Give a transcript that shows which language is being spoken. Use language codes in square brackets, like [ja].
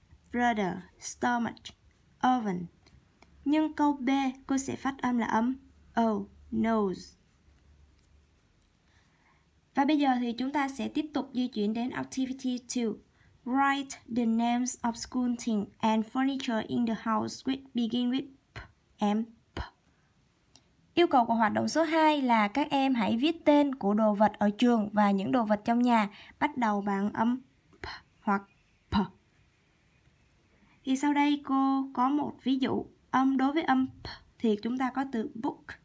[en] Brother, stomach, oven. [vi] Nhưng câu B, cô sẽ phát âm là âm O, nose. Và bây giờ thì chúng ta sẽ tiếp tục di chuyển đến Activity 2. [en] Write the names of school things and furniture in the house which begin with P and P. [vi] Yêu cầu của hoạt động số 2 là các em hãy viết tên của đồ vật ở trường và những đồ vật trong nhà bắt đầu bằng âm P hoặc P. Thì sau đây cô có một ví dụ. Âm đối với âm P thì chúng ta có từ book.